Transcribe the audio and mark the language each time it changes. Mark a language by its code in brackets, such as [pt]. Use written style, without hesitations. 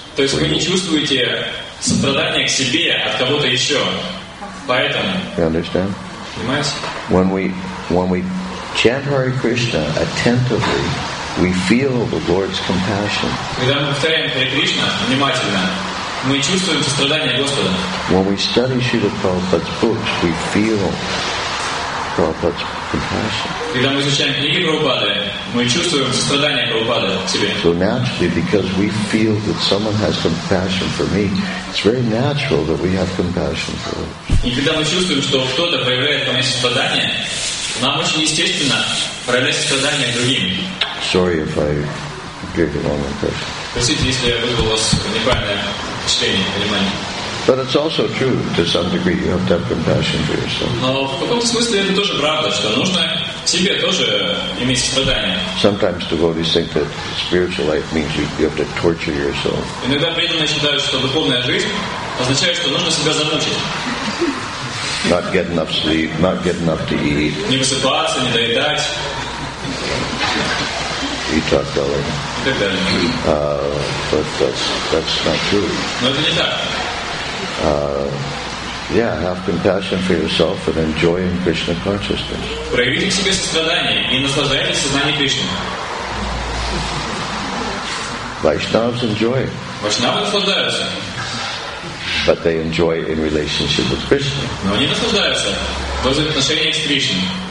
[ru] То есть вы не чувствуете сострадание к себе от кого-то еще. Поэтому. [en] You understand? [ru] Понимаете? [en] When we chant Hare Krishna attentively, we feel the Lord's compassion. [ru] Когда мы повторяем Hare Krishna внимательно, мы чувствуем сострадание Господа. [en] When we study Śrīla Prabhupāda's books, we feel Prabhupāda's compassion. [ru] Когда мы изучаем книги Прабхупады, мы чувствуем сострадание Прабхупады к себе. [en] So naturally, because we feel that someone has compassion for me, it's very natural that we have compassion for them. [ru] И когда мы чувствуем, что кто-то проявляет к нам сострадание, нам очень естественно проявлять сострадание к другим. [en] Sorry if I gave the wrong impression. [ru] Простите, если я вызвал у вас неправильное впечатление, понимание. [en] But it's also true, to some degree, you have to have compassion for yourself. [ru] Но в каком смысле это тоже правда, что нужно себе тоже иметь страдания. [en] Sometimes devotees think that spiritual life means you have to torture yourself. [ru] Иногда преданные считают, что духовная жизнь означает, что нужно себя замучить. [en] Not get enough sleep, not get enough to eat. [ru] Не высыпаться, не доедать. [en] You talk belly. But that's not true. [ru] Но это не так. [en] Have compassion for yourself and enjoy in Krishna consciousness. [ru] Проявите к себе сострадание и наслаждайтесь сознанием Кришны. [en] Vaishnavas enjoy. [ru] Vaishnavas наслаждаются. [en] But they enjoy in relationship with Krishna. [ru] Но они наслаждаются в отношениях с Кришной.